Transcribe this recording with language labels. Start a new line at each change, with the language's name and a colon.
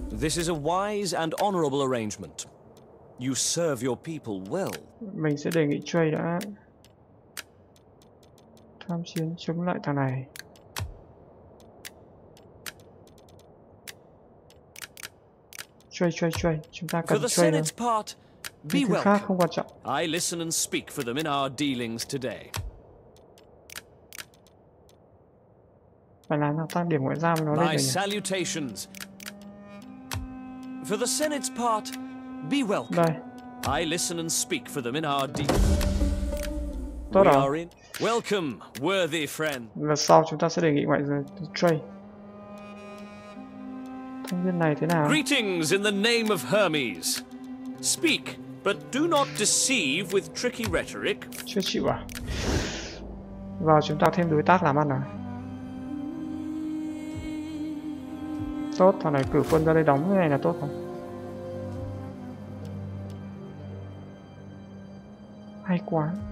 English: This is a wise and honorable arrangement. You serve your people well.
Vietnamese: Mình sẽ đề nghị Trey đã tham chiến chấm lại thằng này. Trey, chúng ta cần Trey nữa.
English: Part,
Vietnamese: thì thứ khác không quan trọng.
English: I listen and speak for them in our dealings today.
Vietnamese: Phải làm nào tăng điểm ngoại giao nó lên.
English: My salutations. For the Senate's part, be welcome.
Vietnamese: Đây.
English: I listen and speak for them in our dealings.
Vietnamese: Tốt rồi.
English: We are in. Welcome, worthy friend.
Vietnamese: Và sau chúng ta sẽ đề nghị ngoại giao Trey. Này thế nào?
English: Greetings in the name of Hermes. Speak, but do not deceive with tricky rhetoric.
Vietnamese: Chưa chịu à? Vào chúng ta thêm đối tác làm ăn à? Tốt, thằng này cử quân ra đây đóng như này là tốt không? Hay quá.